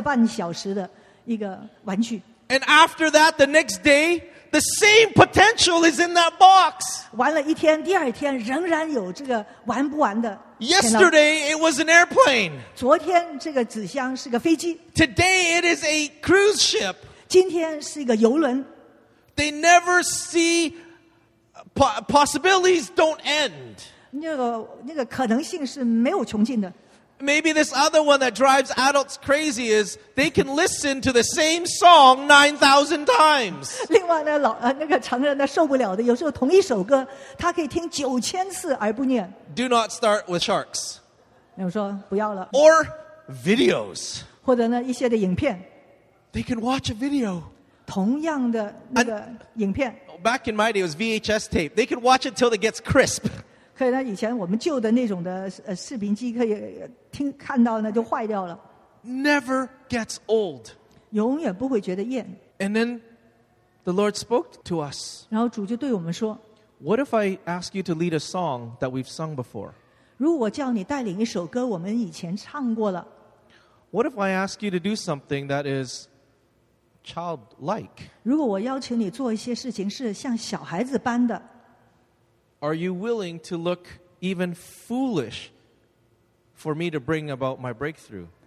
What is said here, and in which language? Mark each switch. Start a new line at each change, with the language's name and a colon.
Chinese: 就是呢,无穷尽的可以玩3个半小时的一个玩具。
English: And after that, the next day, the same potential is in that box.
Chinese: 完了一天,第二天仍然有这个玩不完的。
English: Yesterday, it was an airplane.
Chinese: 昨天这个纸箱是个飞机。
English: Today, it is a cruise ship.
Chinese: 今天是一个游轮。
English: They never see possibilities don't end.
Chinese: 那个可能性是没有穷尽的。
English: Maybe this other one that drives adults crazy is they can listen to the same song 9,000 times.
Chinese: 另外呢,那个成人的受不了的,有时候同一首歌,他可以听9,000次而不念。
English: Do not start with sharks.
Chinese: 我说不要了。
English: Or videos.
Chinese: 或者呢,一些的影片。
English: They can watch a video.
Chinese: 同样的那个影片,
English: back in my day, it was VHS tape. They can watch it until it gets crisp.
Chinese: 可以呢,以前我们旧的那种的视频机可以听看到呢,就坏掉了。
English: Never gets old.
Chinese: 永远不会觉得厌。
English: And then the Lord spoke to us.
Chinese: 然后主就对我们说,
English: What if I ask you to lead a song that we've sung before?
Chinese: 如果叫你带领一首歌我们以前唱过了,
English: What if I ask you to do something that is childlike?
Chinese: 如果我邀请你做一些事情是像小孩子般的,
English: Are you willing to look even foolish for me to bring about my breakthrough?